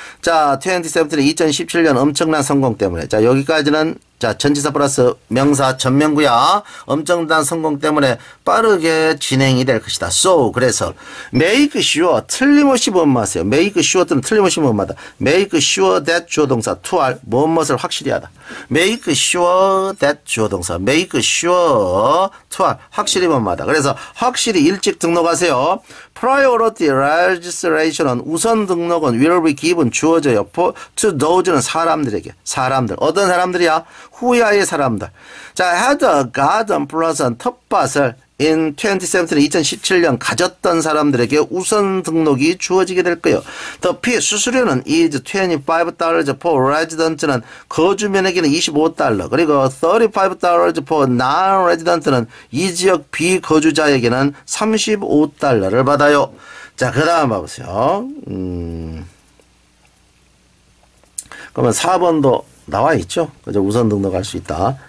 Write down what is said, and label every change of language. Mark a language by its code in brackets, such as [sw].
[ko] 자, 2017, 2017년 엄청난 성공 때문에. 자, 여기까지는 자, 전치사 플러스 명사 전명구야. 엄청난 성공 때문에 빠르게 진행이 될 것이다. So, 그래서 [en] make sure, [ko] 틀림없이 무엇을 하세요. make sure 또는 틀림없이 무엇을 하다. [en] make sure that [ko] 주어동사, [en] to all, [ko] 무엇을 확실히 하다. [en] make sure that [ko] 주어동사, [en] make sure to all, [ko] 확실히 무엇을 하다. 그래서 확실히 일찍 등록하세요. [en] priority registration [ko] 은 우선 등록은 [en] will be given, [ko] 주어져요. [en] to those [ko] 는 사람들에게, 사람들. 어떤 사람들이야? 후야의 사람들. 자, [en] had a garden plus [ko] 텃밭을 [en] in 2017, [ko] 2017년 가졌던 사람들에게 우선 등록이 주어지게 될 거예요. [en] The fee [ko] 수수료는 [en] is $25 for residents는 [ko] 거주민에게는 [en] $25. [ko] 그리고 $35 [en] for non-resident [ko] 는 이 지역 비거주자에게는 $35를 받아요. 자, 그 다음 봐보세요. 그러면 4번도 나와 있죠. 그죠. 우선 등록할 수 있다.